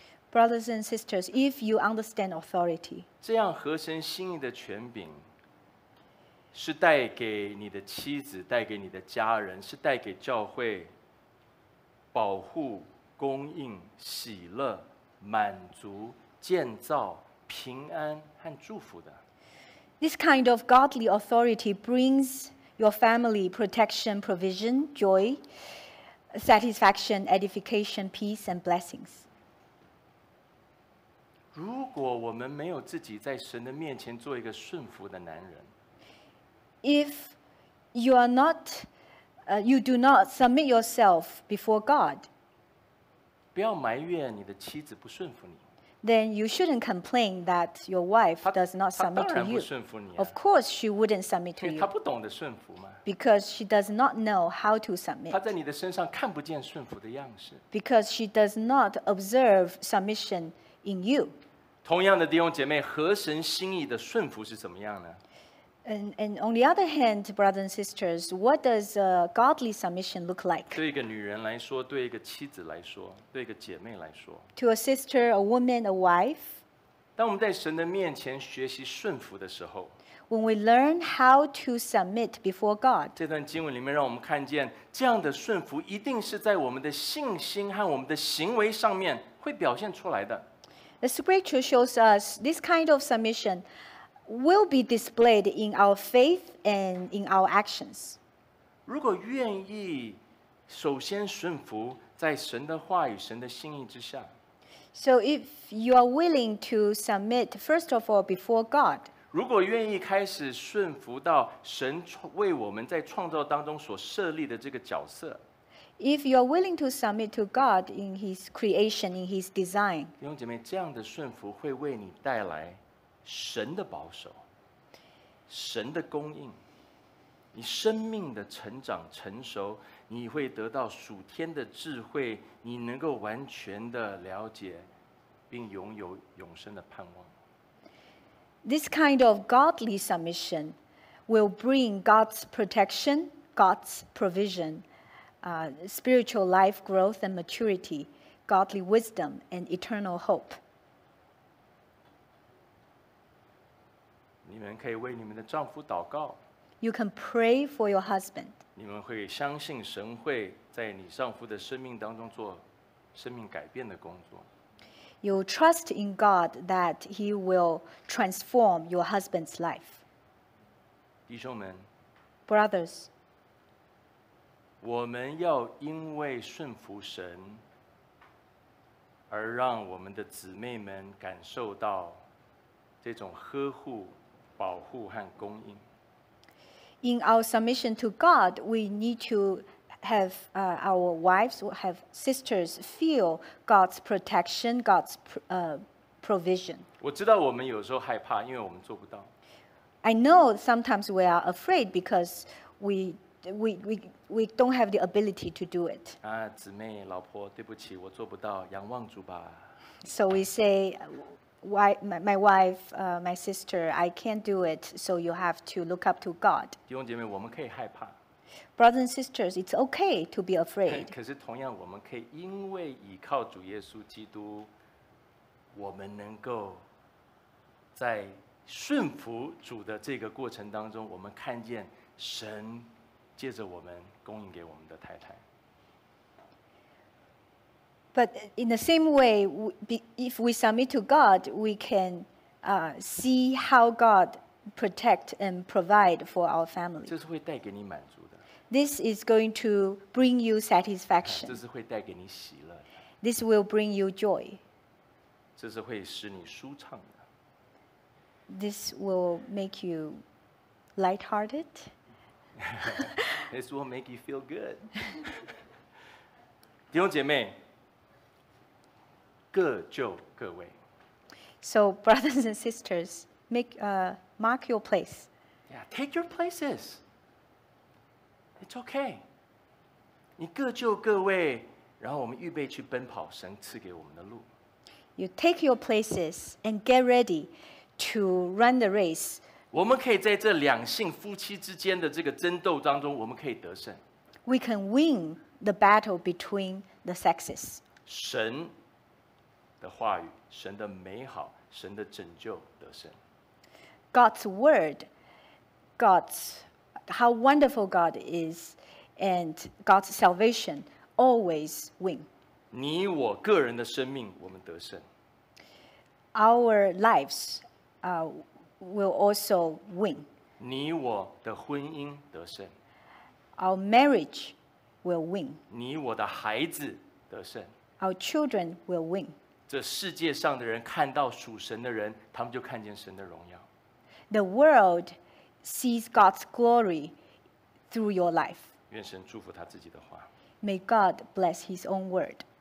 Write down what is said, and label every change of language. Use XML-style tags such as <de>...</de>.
<en>Brothers and sisters, if you understand authority,</en> <zh>这样合神心意的权柄是带给你的妻子，带给你的家人，是带给教会保护、供应、喜乐、满足、建造、平安和祝福的。</zh> <en>This kind of godly authority brings your family protection, provision, joy, satisfaction, edification, peace, and blessings.</en> <zh>如果我们没有自己在神的面前做一个顺服的男人，</zh> <en>If you are not, you do not submit yourself before God,</en> <zh>不要埋怨你的妻子不顺服你。</zh> <en>Then you shouldn't complain that your wife does not submit to you.</en> <zh>她当然不顺服你啊。</zh> <en>Of course, she wouldn't submit to you.</en> <zh>因为她不懂得顺服嘛。</zh> <en>Because she does not know how to submit.</en> <zh>她在你的身上看不见顺服的样式。</zh> <en>Because she does not observe submission. In you.</en> <zh>同样的弟兄姐妹，合神心意的顺服是怎么样呢？</zh> <en>And on the other hand, brothers and sisters, what does a godly submission look like?</en> <zh>对一个女人来说，对一个妻子来说，对一个姐妹来说。</zh> <en>To a sister, a woman, a wife.</en> <zh>当我们在神的面前学习顺服的时候。</zh> <en>When we learn how to submit before God.</en> <zh>这段经文里面让我们看见，这样的顺服一定是在我们的信心和我们的行为上面会表现出来的。</zh> <en>The scripture shows us this kind of submission will be displayed in our faith and in our actions.</en> <zh>如果愿意首先顺服在神的话语、神的心意之下。</zh> <en>So if you are willing to submit first of all before God.</en> <zh>如果愿意开始顺服到神为我们在创造当中所设立的这个角色。</zh> <en>If you are willing to submit to God in His creation, in His design,</en> <zh>弟兄姐妹，这样的顺服会为你带来神的保守、神的供应，你生命的成长成熟，你会得到属天的智慧，你能够完全的了解，并拥有永生的盼望。</zh> <en>This kind of godly submission will bring God's protection, God's provision. Spiritual life growth and maturity, godly wisdom and eternal hope.</en> <zh>你们可以为你们的丈夫祷告。</zh> <en>You can pray for your husband.</en> <zh>你们会相信神会在你丈夫的生命当中做生命改变的工作。</zh> <en>You trust in God that He will transform your husband's life.</en> <zh>弟兄们。</zh> <en>Brothers.</en> <zh>我们要因为顺服神而让我们的姊妹们感受到这种呵护、保护和供应。</zh> <en>In our submission to God, we need to have our wives, have sisters feel God's protection, God's provision.</en> <zh>我知道我们有时候害怕，因为我们做不到。</zh> <en>I know sometimes we are afraid because we don't have the ability to do it.</en> <zh>啊，姊妹，老婆，对不起，我做不到，仰望主吧。</zh> <en>So we say, why my wife, my sister, I can't do it. So you have to look up to God.</en> <zh>弟兄姐妹，我们可以害怕。</zh> <en>Brothers and sisters, it's okay to be afraid.</en> <zh>可是同样，我们可以因为倚靠主耶稣基督，我们能够在顺服主的这个过程当中，我们看见神借着我们供应给我们的太太。</zh> <en>But in the same way, if we submit to God, we can see how God protect and provide for our family.</en> <zh>这是会带给你满足的。</zh> <en>This is going to bring you satisfaction.</en> <zh>这是会带给你喜乐的。</zh> <en>This will bring you joy.</en> <zh>这是会使你舒畅的。</zh> <en>This will make you lighthearted. This will make you feel good.</en> <zh>弟兄姐妹，各就各位。</zh> <en>So brothers and sisters, mark your place. Yeah, take your places. It's okay.</en> <zh>你各就各位，然后我们预备去奔跑神赐给我们的路。</zh> <en>You take your places and get ready to run the race.</en> <zh>我们可以在这两性夫妻之间的这个争斗当中，我们可以得胜。</zh> <en>We can win the battle between the sexes.</en> <zh>神的话语，神的美好，神的拯救得胜。</zh> <en>God's word, God's, how wonderful God is, and God's salvation always win.</en> <zh>你我个人的生命，我们得胜。</zh> <en>Our lives, will also win.</en> <zh>你我的婚姻得胜。</zh> <en>Our marriage will win.</en> <zh>你我的孩子得胜。</zh> <en>Our children will win.</en> <zh>这世界上的人看到属神的人，他们就看见神的荣耀。</zh> <en>The world sees God's glory through your life.</en> <zh>愿神祝福他自己的话。</zh> <en>May God bless his own word.</en>